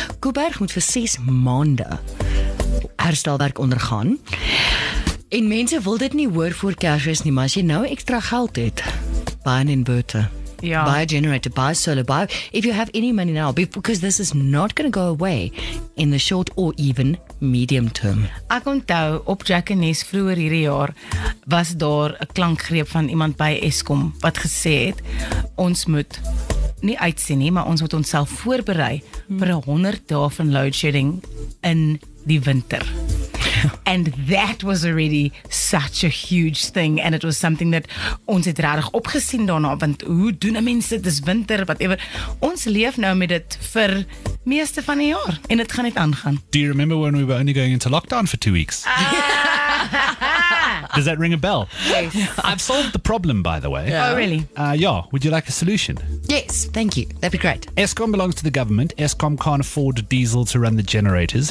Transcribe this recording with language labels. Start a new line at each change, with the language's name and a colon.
Afrikaans: Kuberg moet vir 6 maande herstelwerk ondergaan. En mense wil dit nie hoor voor Kersfees nie, maar as jy nou ekstra geld het, baie inverter. Yeah.
English: Buy a generator, buy a solar, buy if you have any money now, because this is not going to go away in the short or even medium term.
Afrikaans: Ek onthou, op Jack & Ness vroeger hierdie jaar, was daar 'n klankgreep van iemand by Eskom, wat gesê het, ons moet nie uitsien nie, maar ons moet onsself voorberei vir 100 dae van load shedding in die winter.
English: And that was already such a huge thing. And it was something that
Afrikaans: ons het rarig opgesien daarna. Want hoe doen die mense, dis winter, whatever. Ons leef nou met dit vir meeste van die jaar. En het gaan net aangaan.
English: Do you remember when we were only going into lockdown for 2 weeks? Does that ring a bell? Yes. I've solved the problem, by the way. Yeah. Oh, really? Yeah. Would you like a solution? Yes, thank you. That'd be great. Eskom belongs to the government. Eskom can't afford diesel to run the generators.